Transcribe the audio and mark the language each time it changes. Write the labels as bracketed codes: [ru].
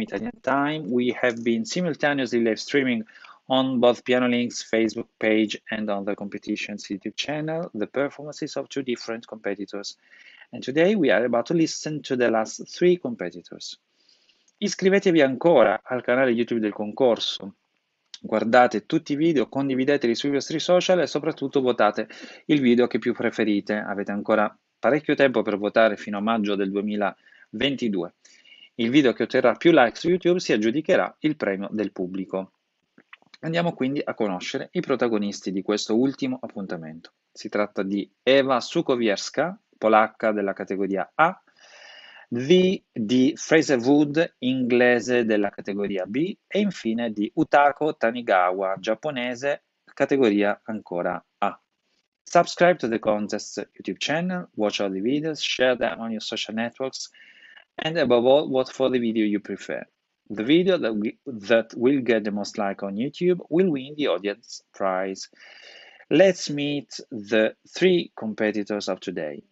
[en] Italian time, we have been simultaneously live streaming on both PianoLink's Facebook page and on the competition's YouTube channel, the performances of two different competitors. And today we are about to listen to the last three competitors. [it] Iscrivetevi ancora al canale YouTube del concorso, guardate tutti i video, condivideteli sui vostri social e soprattutto votate il video che più preferite. Avete ancora parecchio tempo per votare fino a maggio del 2022. Il video che otterrà più like su YouTube si aggiudicherà il premio del pubblico. Andiamo quindi a conoscere i protagonisti di questo ultimo appuntamento. Si tratta di Ewa Sukowierska, polacca della categoria A, V di Fraser Wood, inglese della categoria B, e infine di Utako Tanigawa, giapponese, categoria ancora A. [en] Subscribe to the contest YouTube channel, watch all the videos, share them on your social networks, and above all, vote for the video you prefer. The video that will get the most like on YouTube will win the audience prize. Let's meet the three competitors of today.